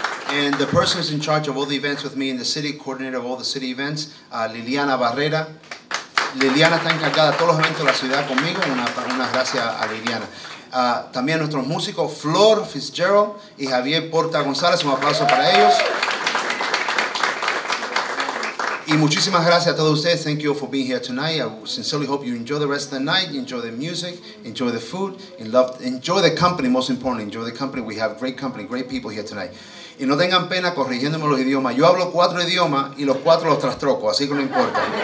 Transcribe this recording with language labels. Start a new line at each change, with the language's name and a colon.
English: And the person who's in charge of all the events with me in the city, coordinator of all the city events, Liliana Barrera.
Spanish: Liliana está encargada de todos los eventos de la ciudad conmigo. Una gracias a Liliana. También a nuestros músicos, Flor Fitzgerald y Javier Porta González. Un aplauso para ellos. Y muchísimas gracias a todos ustedes.
English: Thank you all for being here tonight. I sincerely hope you enjoy the rest of the night. Enjoy the music. Enjoy the food. Enjoy the company, most importantly. Enjoy the company. We have great company, great people here tonight.
Spanish: Y no tengan pena corrigiéndome los idiomas. Yo hablo 4 idiomas y los 4 los trastroco, así que no importa.